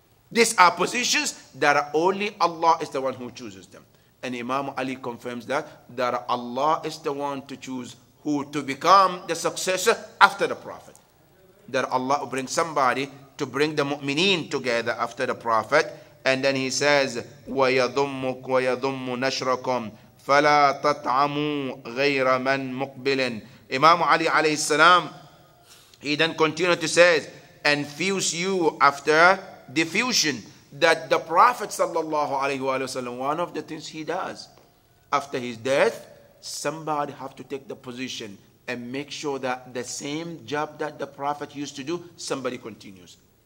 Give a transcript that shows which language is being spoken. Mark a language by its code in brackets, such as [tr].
[en] These are positions that only Allah is the one who chooses them. And Imam Ali confirms that Allah is the one to choose who to become the successor after the prophet. that Allah will bring somebody to bring the mu'mineen together after the Prophet. [ar] And then he says, وَيَضُمُّكْ وَيَضُمُّ نَشْرَكُمْ فَلَا تَطْعَمُوا غَيْرَ مَنْ مُقْبِلٍ. [en] Imam Ali alayhi salam, he then continued to say, infuse you after diffusion. That the Prophet sallallahu alayhi wa sallam, one of the things he does after his death, somebody have to take the position and make sure that the same job that the Prophet used to do, somebody continues.